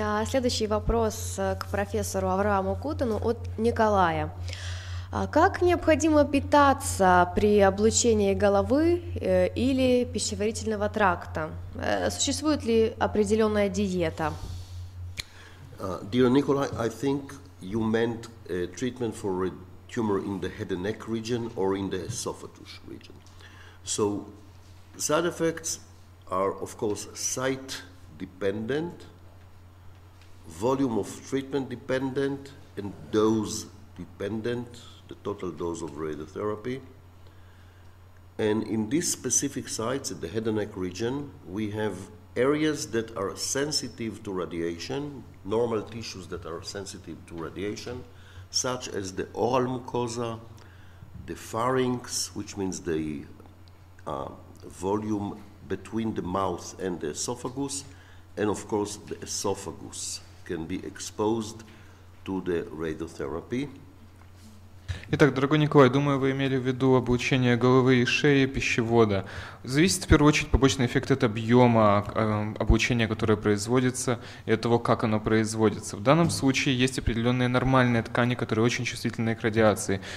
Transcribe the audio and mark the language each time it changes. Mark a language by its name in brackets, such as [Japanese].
[Russian] Следующий вопрос к профессору Аврааму Кутану от Николая. Как необходимо питаться при облучении головы или пищеварительного тракта? Существует ли определенная диета? [English] Dear Nikolai, I think you meant a treatment for a tumor in the head and neck region or in the esophagus region. So, side effects are, of course, site-dependent, volume of treatment-dependent, and dose-dependent. The total dose of radiotherapy. And in these specific sites, in the head and neck region, we have areas that are sensitive to radiation, normal tissues that are sensitive to radiation, such as the oral mucosa, the pharynx, which means the volume between the mouth and the esophagus, and of course the esophagus can be exposed to the radiotherapy. [Russian] Итак, дорогой Николай, думаю, вы имели в виду облучение головы и шеи пищевода. Зависит, в первую очередь, побочный эффект от объема облучения, которое производится, и от того, как оно производится. В данном случае есть определенные нормальные ткани, которые очень чувствительны к радиации.